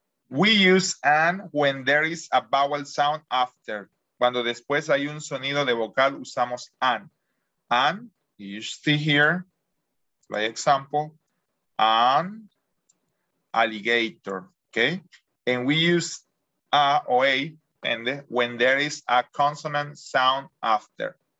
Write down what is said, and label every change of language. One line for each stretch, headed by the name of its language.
English: We use an when there is a vowel sound after.
Spanish: Cuando después hay un sonido de vocal, usamos an.
English: An. You see here, by example, an alligator, okay? And we use a o a and when there is a consonant sound after.